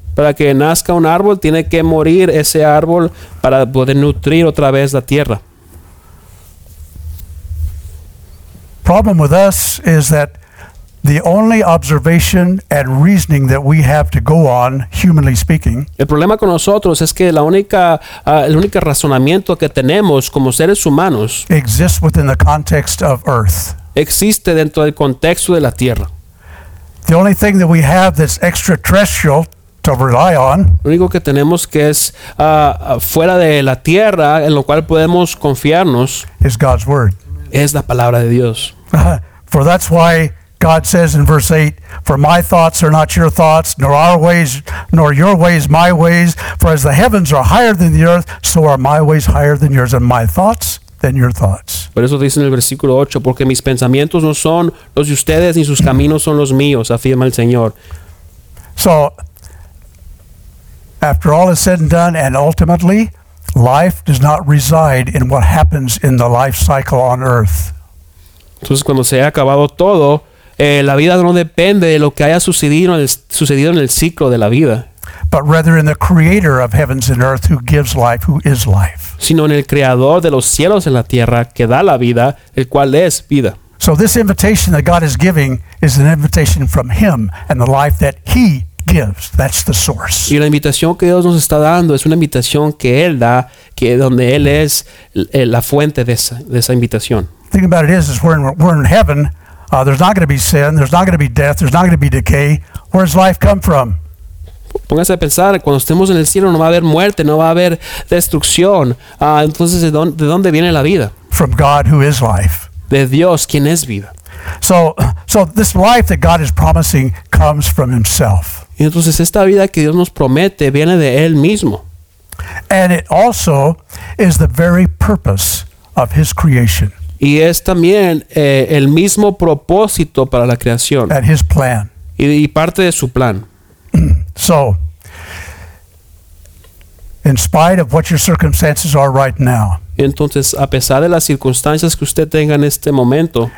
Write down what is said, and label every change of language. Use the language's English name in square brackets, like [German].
[Spanish] Para que nazca un árbol, tiene que morir ese árbol para poder nutrir otra vez la tierra. [English] Problem with us is that the only observation and reasoning that we have to go on, humanly speaking, [Spanish] el problema con nosotros es que el único razonamiento que tenemos como seres humanos [English] exists within the context of earth. [Spanish] Existe dentro del contexto de la tierra. [English] The only thing that we have that's extraterrestrial to rely on, [Spanish] lo único que tenemos que es fuera de la tierra en lo cual podemos confiarnos, [English] is God's word. [Spanish] Es la palabra de Dios. [English] For that's why God says in verse 8, for my thoughts are not your thoughts, nor our ways, nor your ways my ways. For as the heavens are higher than the earth, so are my ways higher than yours, and my thoughts than your thoughts. [Spanish] Por eso dice en el versículo 8, porque mis pensamientos no son los de ustedes, ni sus caminos son los míos, afirma el Señor. [English] So, after all is said and done, and ultimately, life does not reside in what happens in the life cycle on earth. [Spanish] Entonces, cuando se ha acabado todo, la vida no depende de lo que haya sucedido en el ciclo de la vida, [English] but rather in the creator of heavens and earth, who gives life, who is life. [Spanish] Sino en el creador de los cielos y la tierra, que da la vida, el cual es vida. [English] So this invitation that God is giving is an invitation from him, and the life that he gives, that's the source. [Spanish] Y la invitación que Dios nos está dando es una invitación que él da, que donde él es la fuente de esa invitación. [English] The thing about it is we're in heaven. There's not going to be sin, there's not going to be death, there's not going to be decay. Where does life come from? [Spanish] Póngase a pensar, cuando estemos en el cielo no va a haber muerte, no va a haber destrucción. Entonces, ¿de dónde viene la vida? [English] From God, who is life. [Spanish] De Dios, quien es vida. [English] So this life that God is promising comes from himself. [Spanish] Y entonces, esta vida que Dios nos promete viene de él mismo. [English] And it also is the very purpose of his creation. [Spanish] Y es también el mismo propósito para la creación. [English] And his plan. [Spanish] Y parte de su plan. [English] So, in spite of what your circumstances are right now. [Spanish] Entonces, a pesar de las circunstancias que usted tenga en este momento.